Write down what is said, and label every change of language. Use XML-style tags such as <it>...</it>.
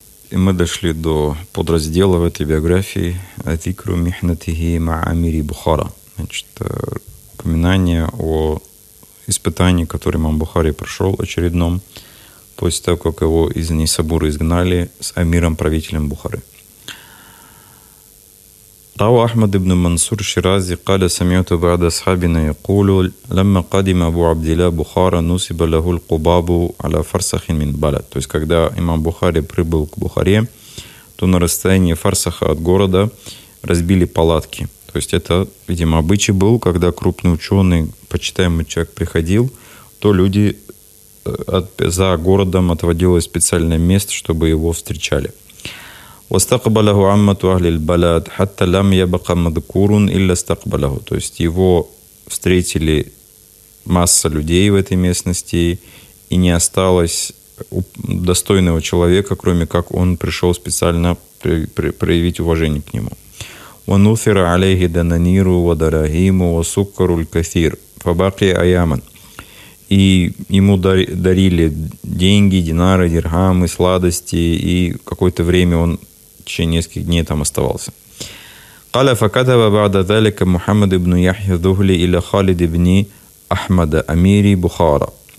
<ru>И мы дошли до подраздела в этой биографии</ru> <ar>«Атикру михнатихи маамири Бухара».</ar> <ru>Значит, упоминание о испытании, которое имам Бухари прошел очередном, после того, как его из Нисабура изгнали с амиром-правителем Бухары.</ru> <ar>روى أحمد بن منصور الشيرازي قال سمعت بعض أصحابنا يقول لما قدم أبو عبد الله بخارى نصب له القباب على فرسخ من بلد.</ar> <ru>То есть когда имам Бухари прибыл к Бухаре, то на расстоянии фарсаха от города разбили палатки. То есть это, видимо, обычай был, когда крупный ученый, почитаемый человек приходил, то люди за городом отводилось специальное место, чтобы его встречали.</ru> <ar>واستقبله عامة أهل البلد حتى لم يبق مذكور إلا استقبله.</ar> <ru>То есть его встретили масса людей в этой местности, и не осталось достойного человека, кроме как он пришел специально проявить уважение к нему.</ru> <ar>ونثر عليه دنانير ودراهم وسكر الكثير فبقي أياما.</ar> <ru>И ему дарили деньги, динары, дирхамы, сладости, и какое-то время он в течение нескольких дней там оставался.</ru> <ar>قَالَ فَكَتَبَ بَعْدَ ذَلِكَ مُحَمَّدِ بْنُ يَحْيَ ذُهْلِ إِلَى خَالِدِ بْنِ أَحْمَدَ أَمِيرِ بُخَارَ.</ar>